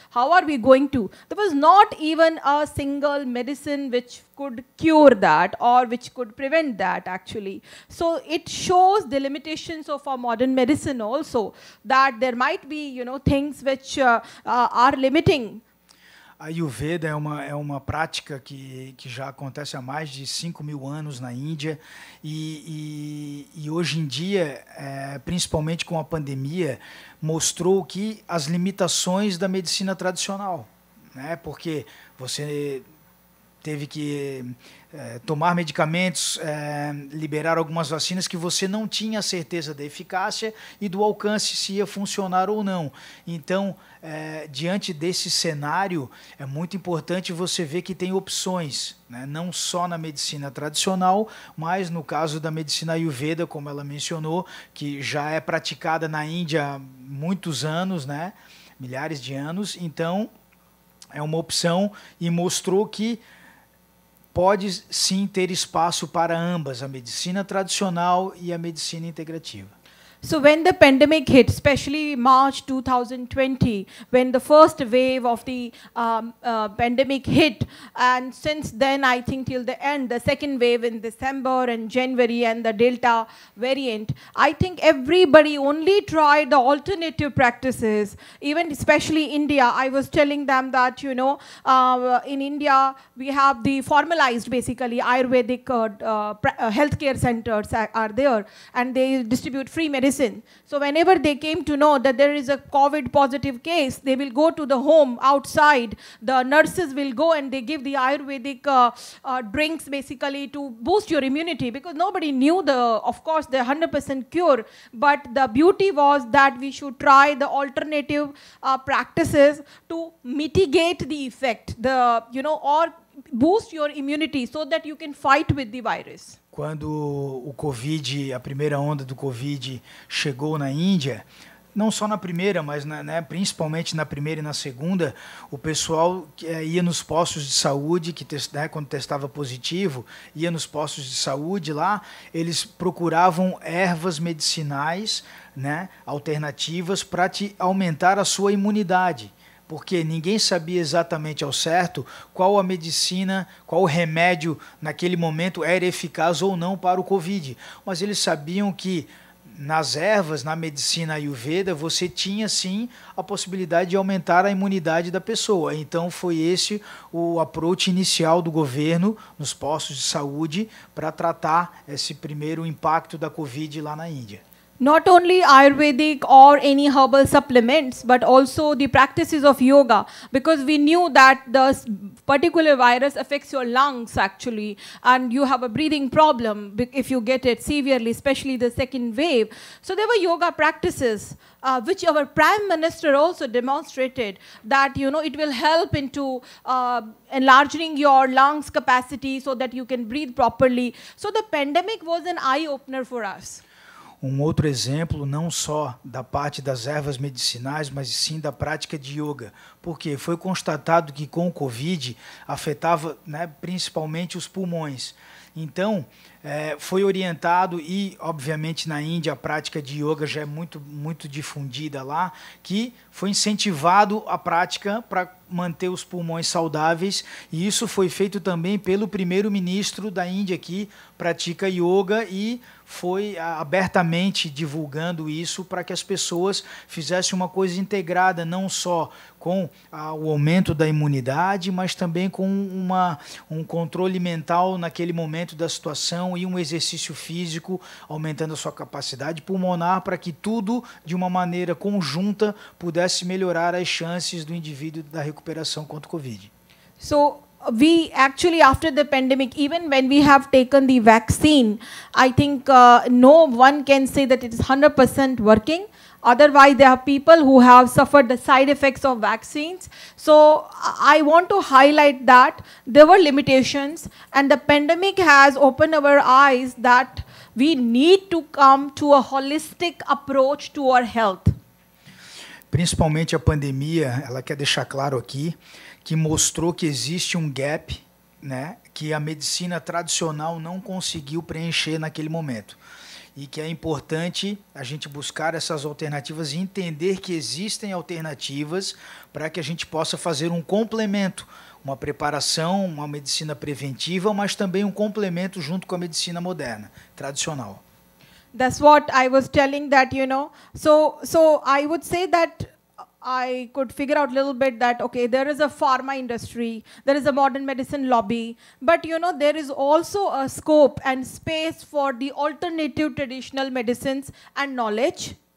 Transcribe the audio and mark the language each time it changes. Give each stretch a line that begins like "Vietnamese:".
English: How are we going to? There was not even a single medicine which could cure that or which could prevent that, actually. So it shows the limitations of our modern medicine also, that there might be, you know, things which are limiting.
Portuguese: A Ayurveda é uma prática que já acontece há mais de 5 mil anos na Índia e hoje em dia, principalmente com a pandemia, mostrou que as limitações da medicina tradicional, né? Porque você teve que tomar medicamentos, liberar algumas vacinas que você não tinha certeza da eficácia e do alcance, se ia funcionar ou não. Então, diante desse cenário, é muito importante você ver que tem opções, né? Não só na medicina tradicional, mas no caso da medicina Ayurveda, como ela mencionou, que já é praticada na Índia há muitos anos, né? Milhares de anos. Então, é uma opção e mostrou que pode sim ter espaço para ambas, a medicina tradicional e a medicina integrativa.
English: So when the pandemic hit, especially March 2020, when the first wave of the pandemic hit, and since then, I think till the end, the second wave in December and January and the Delta variant, I think everybody only tried the alternative practices, even especially India. I was telling them that, you know, in India, we have the formalized, basically, Ayurvedic healthcare centers are there, and they distribute free medicine. So whenever they came to know that there is a COVID positive case, they will go to the home outside. The nurses will go and they give the Ayurvedic drinks basically to boost your immunity, because nobody knew of course, the 100% cure. But the beauty was that we should try the alternative practices to mitigate the effect, or boost your immunity so that you can fight with the virus.
Portuguese: Quando o Covid, a primeira onda do Covid chegou na Índia, não só na primeira, mas principalmente na primeira e na segunda, o pessoal ia nos postos de saúde, quando testava positivo, ia nos postos de saúde lá, eles procuravam ervas medicinais, né, alternativas para te aumentar a sua imunidade. Porque ninguém sabia exatamente ao certo qual a medicina, qual o remédio naquele momento era eficaz ou não para o Covid. Mas eles sabiam que nas ervas, na medicina Ayurveda, você tinha sim a possibilidade de aumentar a imunidade da pessoa. Então foi esse o approach inicial do governo nos postos de saúde para tratar esse primeiro impacto da Covid lá na Índia.
English: Not only Ayurvedic or any herbal supplements, but also the practices of yoga, because we knew that the particular virus affects your lungs, actually, and you have a breathing problem if you get it severely, especially the second wave. So there were yoga practices, which our prime minister also demonstrated that, you know, it will help into enlarging your lungs capacity so that you can breathe properly. So the pandemic was an eye-opener for us.
Portuguese: Um outro exemplo, não só da parte das ervas medicinais, mas sim da prática de yoga. Porque foi constatado que com o Covid afetava, né, principalmente os pulmões. Então, foi orientado, e obviamente na Índia a prática de yoga já é muito, muito difundida lá, que foi incentivado a prática para manter os pulmões saudáveis. E isso foi feito também pelo primeiro-ministro da Índia, que pratica yoga e foi abertamente divulgando isso para que as pessoas fizessem uma coisa integrada, não só com o aumento da imunidade, mas também com um controle mental naquele momento da situação e um exercício físico, aumentando a sua capacidade pulmonar para que tudo, de uma maneira conjunta, pudesse melhorar as chances do indivíduo da recuperação contra o Covid.
English: So we actually, after the pandemic, even when we have taken the vaccine, I think no one can say that it is 100% working. Otherwise, there are people who have suffered the side effects of vaccines. So I want to highlight that there were limitations, and the pandemic has opened our eyes that we need to come to a holistic approach to our health.
Portuguese: Principalmente a pandemia, ela quer deixar claro aqui que mostrou que existe gap, né, que a medicina tradicional não conseguiu preencher naquele momento. E que é importante a gente buscar essas alternativas e entender que existem alternativas para que a gente possa fazer um complemento, uma preparação, uma medicina preventiva, mas também um complemento junto com a medicina moderna, tradicional.
English: That's what I was telling that, you know. So I would say that I could figure out a little bit that, okay, there is a pharma industry, there is a modern medicine lobby, but, you know, there is also a scope and space for the alternative traditional medicines and knowledge.